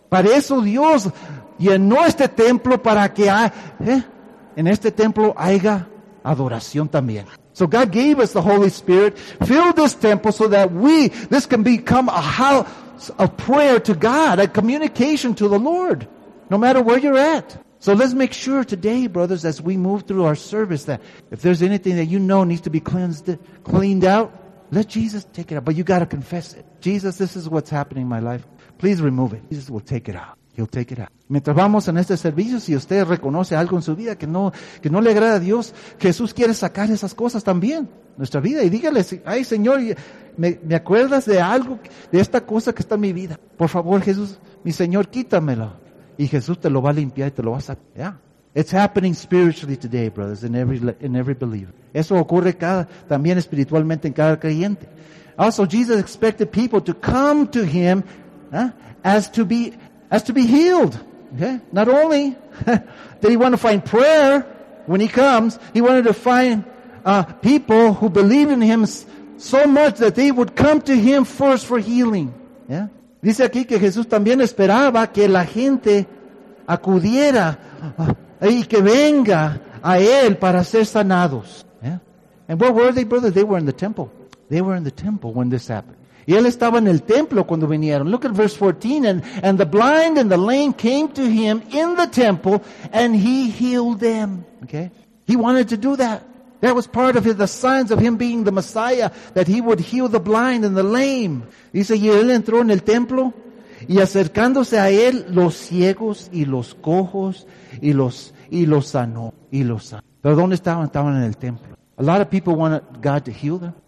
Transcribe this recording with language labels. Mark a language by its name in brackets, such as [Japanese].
[Spanish] Para eso Dios llenó este templo, para que en este templo haya adoración también. [English] So God gave us the Holy Spirit, filled this temple so that this can become a house of prayer to God, a communication to the Lord, no matter where you're at. So let's make sure today, brothers, as we move through our service, that if there's anything that you know needs to be cleaned out, let Jesus take it out. But you got to confess it. Jesus, this is what's happening in my life. Please remove it. Jesus will take it out. He'll take it out. [Spanish] Mientras vamos en este servicio, si usted reconoce algo en su vida que no le agrada a Dios, Jesús quiere sacar esas cosas también en nuestra vida. Y dígale: ay, Señor, ¿me acuerdas de algo, de esta cosa que está en mi vida? Por favor, Jesús, mi Señor, quítamelo. Y Jesús te lo va a limpiar y te lo va a sacar. Yeah. [English] It's happening spiritually today, brothers, in every believer. [Spanish] Eso ocurre también espiritualmente en cada creyente. [English] Also, Jesus expected people to come to Him as to be healed. Okay? Not only did He want to find prayer when He comes, He wanted to find people who believe in Him so much that they would come to Him first for healing. Yeah? [Spanish] Dice aquí que Jesús también esperaba que la gente acudiera y que venga a Él para ser sanados. [English] Yeah? And where were they, brothers? They were in the temple. They were in the temple when this happened. [Spanish] Y él estaba en el templo cuando vinieron. [English] Look at verse 14. And the blind and the lame came to him in the temple, and he healed them. Okay? He wanted to do that. That was part of the signs of him being the Messiah, that he would heal the blind and the lame. [Spanish] Dice, y él entró en el templo, y acercándose a él, los ciegos y los cojos, y los sanó. Pero ¿dónde estaban? Estaban en el templo. [English] A lot of people wanted God to heal them.